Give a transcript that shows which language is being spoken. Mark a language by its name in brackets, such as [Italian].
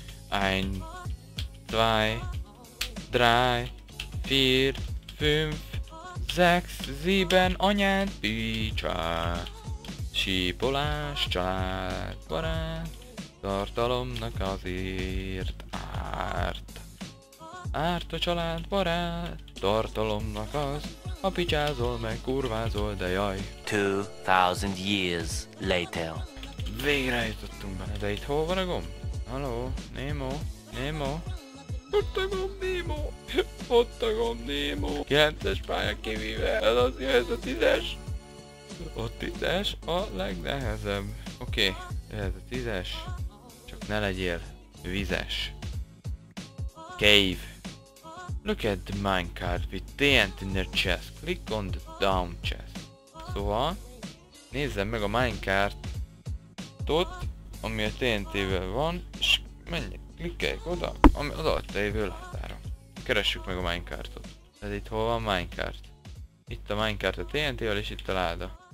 [German] Ein, zwei, drei, vier, fünf, sechs, sieben, [Hungarian] anyád, bícsá. Sípolás, család, barát, tartalomnak azért árt. Árt a család, barát, tartalomnak az, ha picsázol meg kurvázol, de jaj. [English] 2000 years later. [Hungarian] Végre jutottunk bele, de itt hol van a gomb? Haló, Nemo, Nemo. Ott a gomb, Nemo. Ott a gomb, Nemo. 9-es pálya kivéve, ez az jó, ez a 10-es. Ott 10-es a legnehezebb. Oké, ez a 10-es. Csak ne legyél vizes. Cave. [English] Look at the minecart with TNT in the chest. Click on the down chest. [Hungarian] Szóval, nézzem meg a minecart. Ott, ami a TNT-vel van, és menjünk, klikkeljük oda, ami az alatt lévő láttára. Keressük meg a minecartot. Ez itt hol van minecart? Itt a minecart a TNT-vel, és itt a láda.